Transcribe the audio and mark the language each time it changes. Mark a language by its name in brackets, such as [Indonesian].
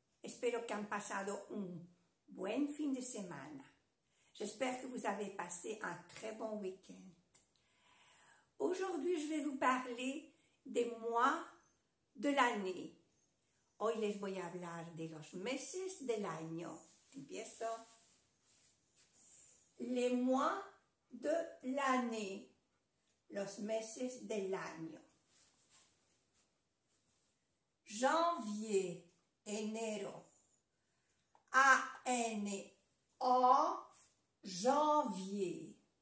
[Spanish] Espero que han pasado un buen fin de semana. [French] J'espère que vous avez passé un très bon week-end. Aujourd'hui, je vais vous parler des mois de l'année. [Spanish] Hoy les voy a hablar de los meses del año. Empiezo. [French] Les mois de l'année. [Spanish] Los meses del año. [French] Janvier, enero. A-N-O, janvier.